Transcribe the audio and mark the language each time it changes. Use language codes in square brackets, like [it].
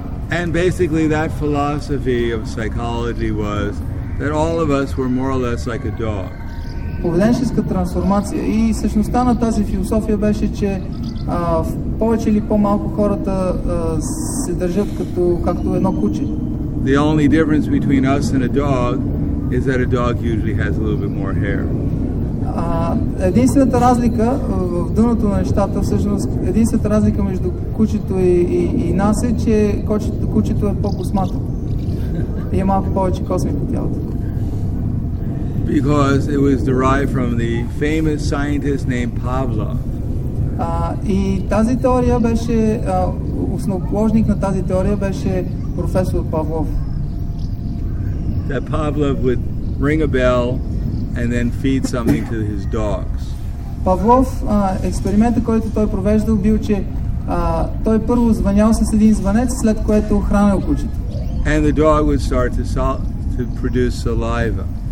[en] And basically that philosophy of psychology was that all of us were more or less like a dog. [bg] Поведенческа трансформация и същността на тази философия беше, че повече или по-малко хората се държат като, както едно куче. [en] The only difference between us and a dog is that a dog usually has a little bit more hair. [bg] Единствената разлика в дъното на нещата, всъщност, единствената разлика между кучето и нас е, че кучето е по-космато. И е малко повече косми по тялото. [en] Because it was derived from the famous scientist named Pavlov. [bg] И тази теория беше, основоположник на тази теория беше професор Павлов. [en] That Pavlov would ring a bell and then feed something to his dogs. [bg] Павлов, експеримента, който той провеждал, бил, че той първо звънял с един звънец, след което хранил кучето. [en] And the dog would start to produce saliva.